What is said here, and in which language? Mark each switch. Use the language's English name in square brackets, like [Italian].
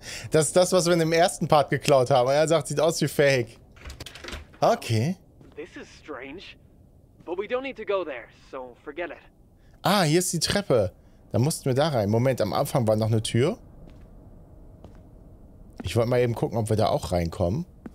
[German] Das ist das, was wir in dem ersten Part geklaut haben. Er sagt, sieht aus wie fake. Okay. [English] This is strange. But we don't need to go there, so forget it. [German] Ah, hier ist die Treppe. Da mussten wir da rein. Moment, am Anfang war noch eine Tür. Ich wollte mal eben gucken, ob wir da auch reinkommen.